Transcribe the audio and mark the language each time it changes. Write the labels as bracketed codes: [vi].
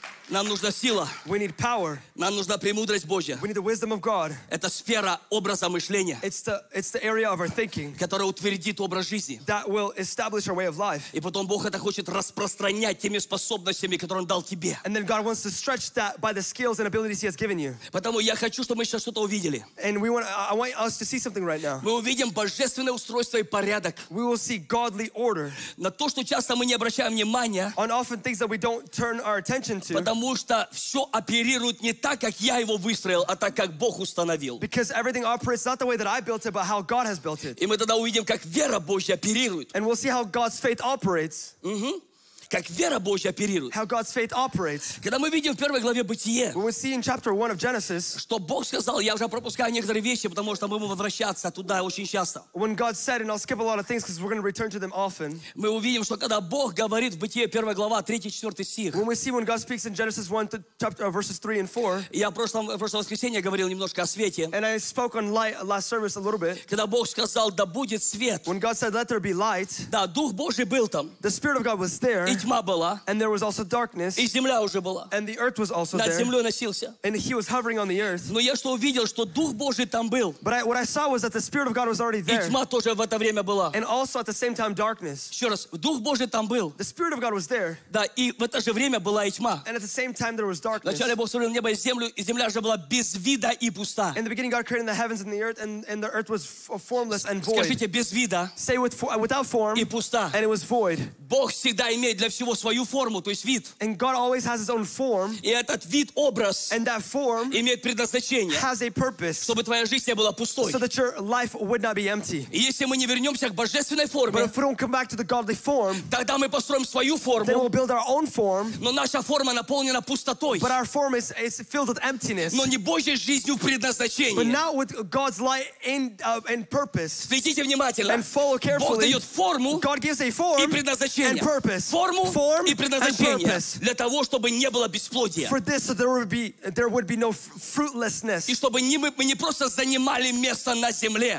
[ru] Нам нужна сила. [en] We need power. [ru] Нам нужна премудрость Божья. [en] We need the wisdom of God. [ru] Это сфера образа мышления. [en] It's the area of our thinking. [ru] Которая утвердит образ жизни. [en] That will establish our way of life. [ru] И потом Бог это хочет распространять теми способностями, которые Он дал тебе. [en] And then God wants to stretch that by the skills and abilities He has given you. [ru] Потому я хочу, чтобы мы сейчас что-то увидели. [en] And I want us to see something right now. [ru] Мы увидим божественное устройство и порядок. [en] We will see godly order. [ru] На то, что часто мы не обращаем внимания. [en] On often things that we don't turn our attention to. [ru] Потому что все оперирует не так, как я его выстроил, а так, как Бог установил. [en] Because everything operates not the way that I built it, but how God has built it. [ru] И мы тогда увидим, как вера Божья оперирует. [en] And we'll see how God's faith operates. Угу. [ru] Как вера Божья оперирует. [en] How God's faith operates. [ru] Когда мы видим в первой главе Бытие, [en] when we see in chapter 1 of Genesis, [ru] что Бог сказал, я уже пропускаю некоторые вещи, потому что мы будем возвращаться туда очень часто. [en] When God said, and I'll skip a lot of things because we're going to return to them often. [ru] Мы увидим, что когда Бог говорит в Бытие, первая глава, 3-4 стих. [en] When we see when God speaks in Genesis 1 to chapter verses 3 and 4. [ru] Я в прошлое воскресенье говорил немножко о свете. [en] And I spoke on light last service a little bit. [ru] Когда Бог сказал, да будет свет. [en] When God said, let there be light. [ru] Да, Дух Божий был там. [en] The Spirit of God was there. And there was also darkness. [ru] И земля уже была. [en] And the earth was also [ru] над [en] there. [ru] Над землей носился. [en] And he was hovering on the earth. [ru] Но я что увидел, что Дух Божий там был. [en] But what I saw was that the Spirit of God was already there. [ru] И тьма тоже в это время была. [en] And also at the same time darkness. [ru] Еще раз, Дух Божий там был. [en] The Spirit of God was there. [ru] Да, и в это же время была и тьма. [en] And at the same time there was darkness. [ru] Вначале Бог сотворил небо и землю, и земля же была без вида и пуста. [en] In the beginning God created the heavens and the earth, and the earth was formless and void. [ru] Скажите, без вида. [en] Say without form. [ru] И пуста. [en] And it was void. [ru] Бог всегда имеет для всего свою форму, то есть вид. [en] And God always has his own form. [ru] И этот вид, образ, [en] and that form [ru] имеет предназначение, [en] has a purpose, [ru] чтобы твоя жизнь не была пустой. [en] So that your life would not be empty. [ru] И если мы не вернемся к божественной форме, [en] but if we don't come back to the godly form, [ru] тогда мы построим свою форму, [en] then we'll build our own form, [ru] но наша форма наполнена пустотой. But our form is filled with emptiness. Но не Божьей жизнью в предназначении. [en] But not with God's light in purpose. [ru] Следите внимательно. [en] And follow carefully. [ru] Бог дает форму, [en] God gives a form, [ru] и предназначение. [en] And purpose. [ru] Форму [en] form [ru] и предназначение для того, чтобы не было бесплодия. [en] For this, so there would be no fruitlessness. [ru] И чтобы мы не просто занимали место на земле.